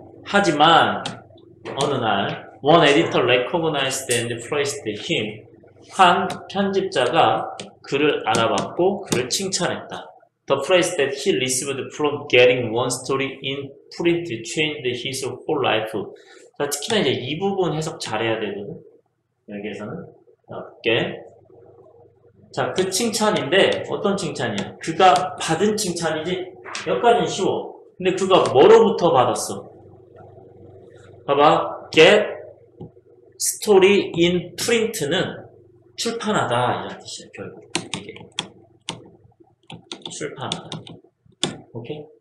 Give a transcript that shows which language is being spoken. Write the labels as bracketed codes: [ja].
[ko] 하지만 어느 날, [en] one editor recognized and praised him. [ko] 한 편집자가 그를 알아봤고 그를 칭찬했다. [en] The praise that he received from getting one story in print changed his whole life. [ko] 자, 특히나 이제 이 부분 해석 잘해야 되거든. 여기에서는. 자, 그 칭찬인데, 어떤 칭찬이야? 그가 받은 칭찬이지? 여기까지는 쉬워. 근데 그가 뭐로부터 받았어? 봐봐. [en] Get story in print [ko] 는 출판하다. 이런 뜻이야, 결국. 이게. 출판하다. 오케이?